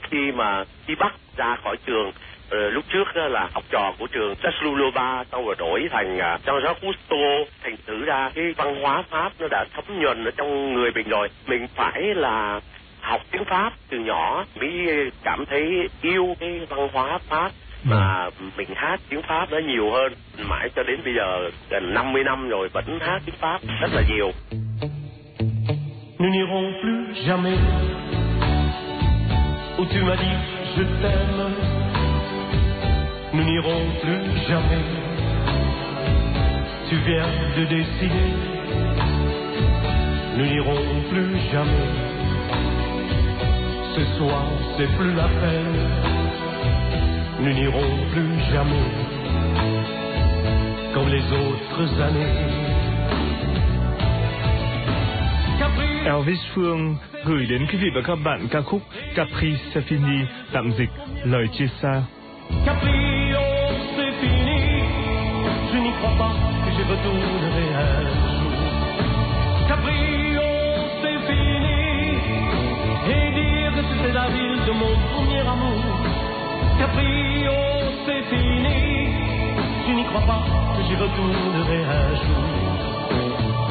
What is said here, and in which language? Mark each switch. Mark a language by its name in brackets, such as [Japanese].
[Vietnamese] Khi mà đi Bắc ra khỏi trường, lúc trước đó là học trò của trường Jean-Louis-Loba, xong rồi đổi thành Jean-Jacques Cousteau, thành thử ra cái văn hóa Pháp nó đã thấm nhuần ở trong người mình rồi. Mình phải là học tiếng Pháp từ nhỏ mới cảm thấy yêu cái văn hóa Pháp mà mình hát tiếng Pháp nó nhiều hơn. Mãi cho đến bây giờ gần 50 năm rồi vẫn hát tiếng Pháp rất là nhiều. [French] Nous n'irons plus jamais où tu m'as dit je t'aime. Nous n'irons plus jamais. Tu viens de décider. Nous n'irons plus jamais. Ce soir, c'est plus la peine. Nous n'irons plus jamais comme les autres années. [Vietnamese] Elvis Phương gửi đến quý vị và các bạn ca khúc Capri c'est fini, tạm dịch lời chia xa. [French] Capri c'est fini, je n'y crois pas que je retournerai un jour. Capri c'est fini, et dire que c'était la ville de mon premier amour. Capri c'est fini, je n'y crois pas que j'y retournerai un jour.